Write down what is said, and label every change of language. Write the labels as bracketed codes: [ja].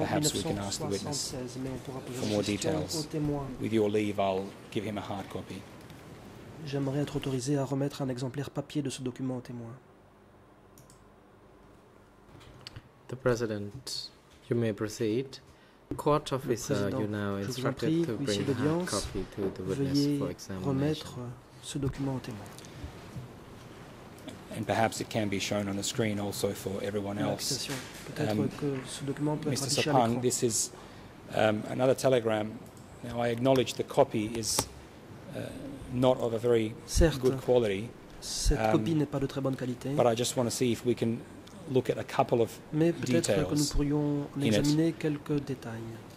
[en] perhaps we can ask the witness for more details. With your leave, I'll give him a hard copy. [fr] J'aimerais être autorisé à remettre un exemplaire papier de ce document au témoin. [en] The President, you may proceed. Court officer, you now instructed to bring the hard copy to the witness for examination. [fr] Remettre ce document au témoin. [en] and perhaps it can be shown on the screen also for everyone else. Mr. Sapan, this is another telegram. Now, I acknowledge the copy is not of a very good quality. [fr] Cette copie n'est pas de très bonne qualité. [en] But I just want to see if we can look at a couple of [fr] mais details que nous pourrions examiner quelques détails.